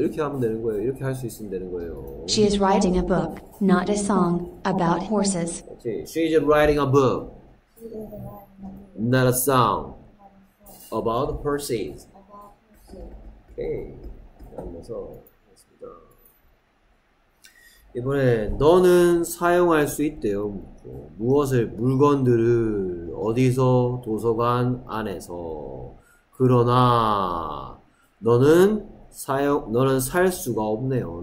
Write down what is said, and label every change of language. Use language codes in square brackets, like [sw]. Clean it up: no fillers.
[ko] 이렇게 하면 되는 거예요. 이렇게 할수 있으면 되는 거예요. [en] She is writing a book, not a song, about horses. Okay. She is writing a book, not a song, about horses. [ko] 오케이. 알면서 이번에 너는 사용할 수 있대요. 무엇을, 물건들을 어디서? 도서관 안에서. 그러나 너는 살 수가 없네요.